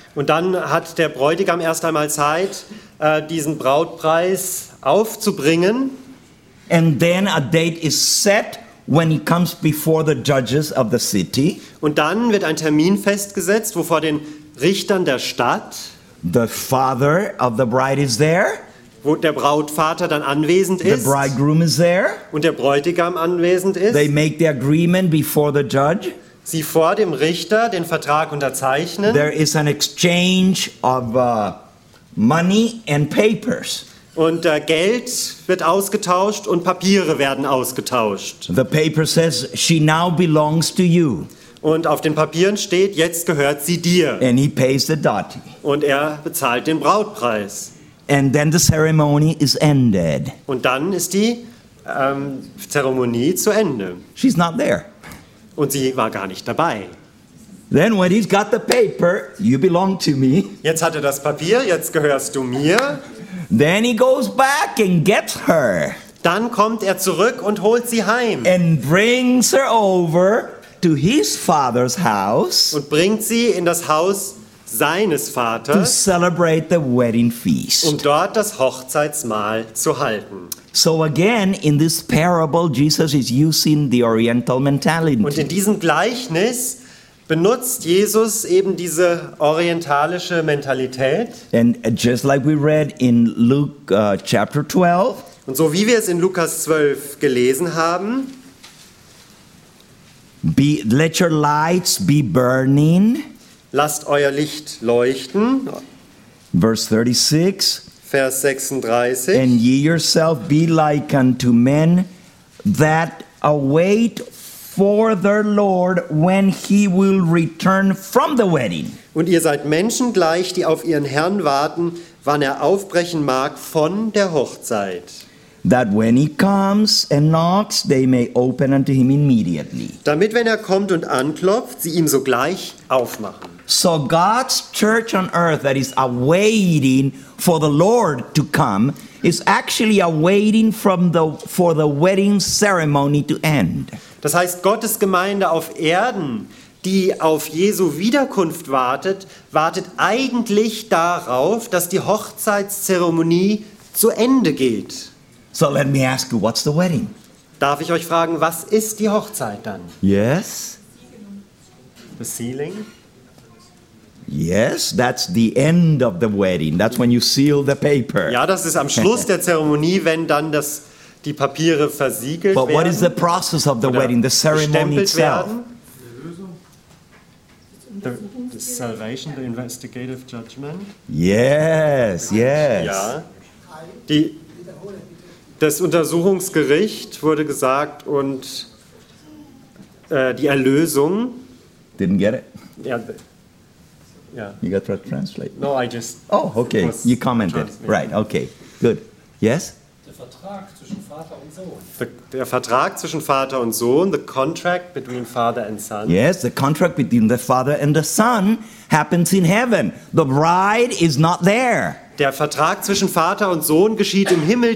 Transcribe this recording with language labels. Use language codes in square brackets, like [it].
[de] Und dann hat der Bräutigam erst einmal Zeit, diesen Brautpreis aufzubringen. [en] And then a date is set when he comes before the judges of the city. [de] Und dann wird ein Termin festgesetzt, wo vor den Richtern der Stadt [en] the father of the bride is there. [de] Wo der Brautvater dann anwesend ist. [en] The bridegroom is there. [de] Und der Bräutigam anwesend ist. [en] They make the agreement before the judge. [de] Sie vor dem Richter den Vertrag unterzeichnen. [en] There is an exchange of money and papers. [de] Und Geld wird ausgetauscht und Papiere werden ausgetauscht. [en] The paper says she now belongs to you. [de] Und auf den Papieren steht, jetzt gehört sie dir. [en] And he pays the dati. [de] Und er bezahlt den Brautpreis. [en] And then the ceremony is ended. [de] Und dann ist die Zeremonie zu Ende. [en] She's not there. [de] Und sie war gar nicht dabei. [en] Then when he's got the paper, you belong to me. [de] Jetzt hat er das Papier, jetzt gehörst du mir. [en] Then he goes back and gets her. [de] Dann kommt er zurück und holt sie heim. [en] And brings her over to his father's house. [de] Und bringt sie in das Haus seines Vaters. [en] To celebrate the wedding feast. [de] Um dort das Hochzeitsmahl zu halten. [en] So again, in this parable, Jesus is using the Oriental mentality. [de] Und in diesem Gleichnis benutzt Jesus eben diese orientalische Mentalität. [en] And just like we read in Luke chapter 12. [de] Und so wie wir es in Lukas 12 gelesen haben. [en] Let your lights be burning. [de] Lasst euer Licht leuchten. [en] Verse 36. [de] Vers 36. [en] And ye yourself be like unto men that await for their Lord when he will return from the wedding. [de] Und ihr seid Menschen gleich, die auf ihren Herrn warten, wann er aufbrechen mag von der Hochzeit. [en] That when he comes and knocks, they may open unto him immediately. [de] Damit, wenn er kommt und anklopft, sie ihm sogleich aufmachen. [en] So God's church on earth that is awaiting for the Lord to come is actually awaiting for the wedding ceremony to end. [de] Das heißt, Gottes Gemeinde auf Erden, die auf Jesu Wiederkunft wartet, wartet eigentlich darauf, dass die Hochzeitszeremonie zu Ende geht. [en] So let me ask you, what's the wedding? [de] Darf ich euch fragen, was ist die Hochzeit dann? [en] Yes. The sealing. Yes, that's the end of the wedding. That's when you seal the paper. Ja, das ist am Schluss der Zeremonie, wenn dann das die Papiere versiegelt werden. But what is the process of the wedding, the ceremony itself? The salvation, the investigative judgment. Yes, yes. [de] Ja. Die das Untersuchungsgericht wurde gesagt und die Erlösung. [en] Didn't get it. [de] Ja. [en] Yeah. You got to translate. No, I just. Oh, okay. You commented. Right. Okay. Good. Yes? [de] Der Vertrag zwischen Vater und Sohn. [en] The contract between father and son. Yes, the contract between the father and the son happens in heaven. The bride is not there. [de] Der Vertrag zwischen Vater und Sohn geschieht im Himmel.